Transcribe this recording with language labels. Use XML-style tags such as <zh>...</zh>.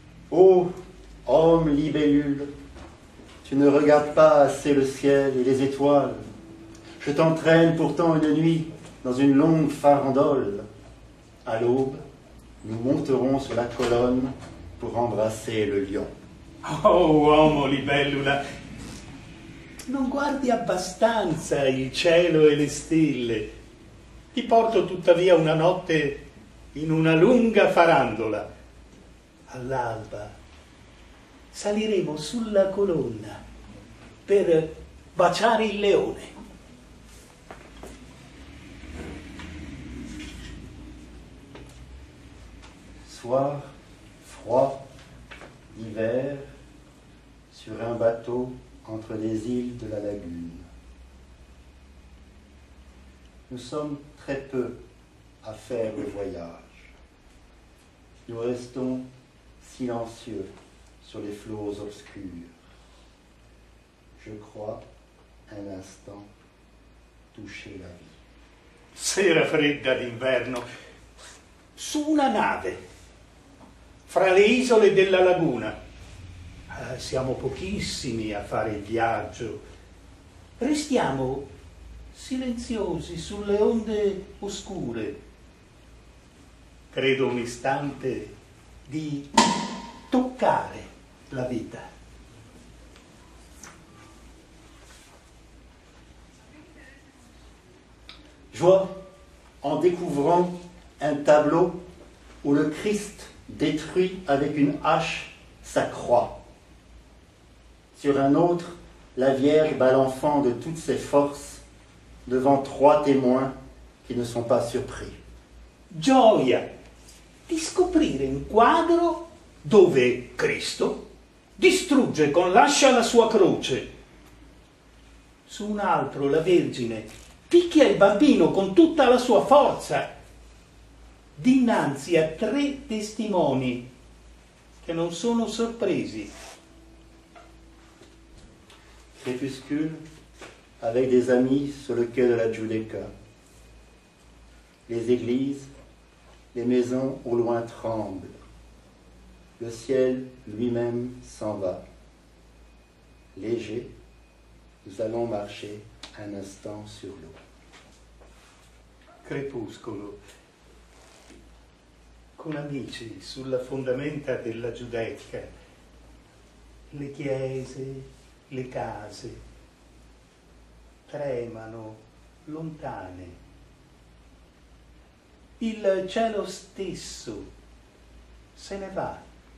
<fr>Oh, homme libellule, tu ne regardes pas assez le ciel et les étoiles. Je t'entraîne pourtant une nuit dans une longue farandole. À l'aube, nous monterons sur la colonne pour embrasser le lion.</fr> <it>Oh, uomo libellula, non guardi abbastanza il cielo e le stelle. Ti porto tuttavia una notte in una lunga farandola. All'alba saliremo sulla colonna per baciare il leone.</it> <fr>Soir, froid, hiver, sur un bateau entre les îles de la lagune. Nous sommes très peu à faire le voyage. Nous restons silencieux sur les flots obscurs. Je crois un instant toucher la vie.</fr> <it>Sera fredda d'inverno, su una nave, fra le isole della laguna. Siamo pochissimi a fare il viaggio. Restiamo silenziosi sulle onde oscure. Credo un istante di toccare la vita.</it> <fr>Je vois, en découvrant un tableau où le Christ détruit avec une hache sa croix. Sur un autre, la Vierge bat l'enfant de toutes ses forces devant trois témoins qui ne sont pas surpris.</fr> <it>Gioia di scoprire un quadro dove Cristo distrugge con l'ascia la sua croce. Su un altro, la Vergine picchia il bambino con tutta la sua forza dinanzi a tre testimoni che non sono sorpresi.</it> <fr>Crépuscule avec des amis sur le quai de la Giudecca. Les églises, les maisons au loin tremblent. Le ciel lui-même s'en va. Léger, nous allons marcher un instant sur l'eau.</fr> <it>Crepuscolo, con amici sulla fondamenta della Giudecca, le chiese, le case, tremano lontane, il cielo stesso se ne va.</it>